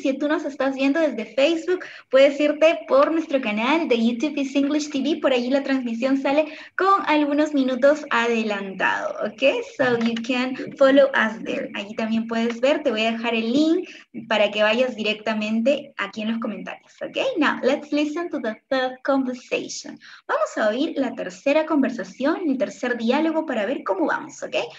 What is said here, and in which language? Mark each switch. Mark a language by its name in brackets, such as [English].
[Spanish] Si tú nos estás viendo desde Facebook, puedes irte por nuestro canal de YouTube, es English TV. Por allí la transmisión sale con algunos minutos adelantado, ¿ok? [English] So you can follow us there. [Spanish] Allí también puedes ver, te voy a dejar el link para que vayas directamente aquí en los comentarios. [English] Okay, now let's listen to the third conversation. [Spanish] Vamos a oír la tercera conversación, el tercer diálogo para ver cómo vamos, okay?